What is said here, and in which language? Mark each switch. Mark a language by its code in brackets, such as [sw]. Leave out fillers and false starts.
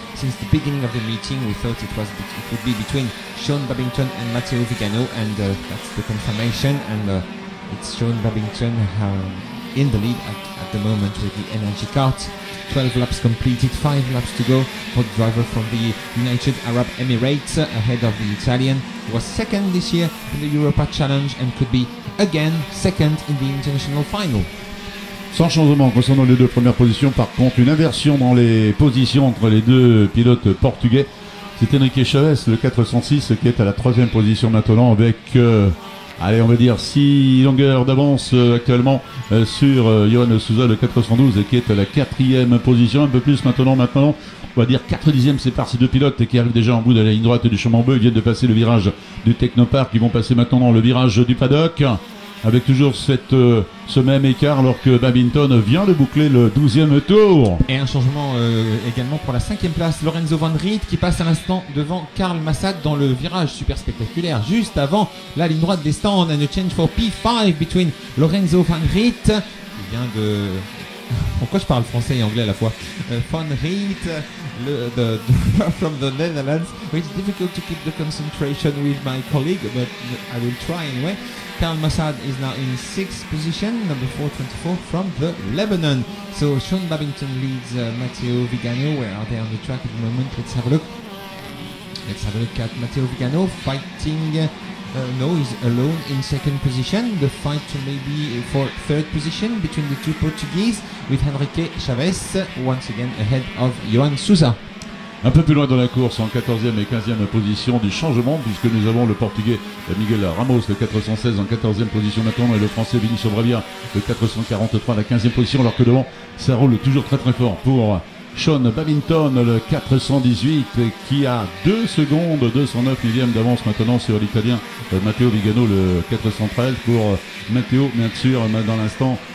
[en] Since the beginning of the meeting, we thought it would be between Sean Babington and Matteo Vigano, and that's the confirmation, and it's Sean Babington in the lead at the moment with the energy cart. 12 laps completed, 5 laps to go for the driver from the United Arab Emirates, ahead of the Italian, who was second this year in the Europa Challenge and could be again second in the international final. [fr] Sans changement concernant les deux premières positions, par contre, une inversion dans les positions entre les deux pilotes portugais. C'est Henrique Chaves, le 406, qui est à la troisième position maintenant avec, allez, on va dire, 6 longueurs d'avance actuellement sur Johan Souza, le 412, qui est à la quatrième position, un peu plus maintenant. On va dire 4 dixièmes, c'est par ces deux pilotes qui arrivent déjà en bout de la ligne droite du chemin bleu. Ils viennent de passer le virage du Technopark, ils vont passer maintenant dans le virage du paddock. Avec toujours ce même écart alors que Babington vient de boucler le 12e tour. Et un changement également pour la 5e place, Lorenzo Van Riet qui passe à l'instant devant Karl Massad dans le virage super spectaculaire juste avant la ligne droite des stands. [en] And a change for P5 between Lorenzo Van Riet [fr] qui vient de... Pourquoi je parle français et anglais à la fois? [en] Van Riet, the from the Netherlands. It's difficult to keep the concentration with my colleague, but I will try anyway. Karl Massad is now in 6th position, number 424 from the Lebanon. So Sean Babington leads Matteo Vigano. Where are they on the track at the moment? Let's have a look. Let's have a look at Matteo Vigano fighting. No, he's alone in 2nd position. The fight to maybe for 3rd position between the two Portuguese with Henrique Chaves once again ahead of Johan Souza. [fr] Un peu plus loin dans la course, en 14e et 15e position du changement, puisque nous avons le Portugais Miguel Ramos, le 416, en 14e position maintenant, et le Français Vinicio Bravia, le 443, à la 15e position, alors que devant, ça roule toujours très très fort pour Sean Babington, le 418, qui a 2 secondes, 209 millièmes d'avance maintenant sur l'Italien Matteo Vigano, le 413, pour Matteo, bien sûr, dans l'instant.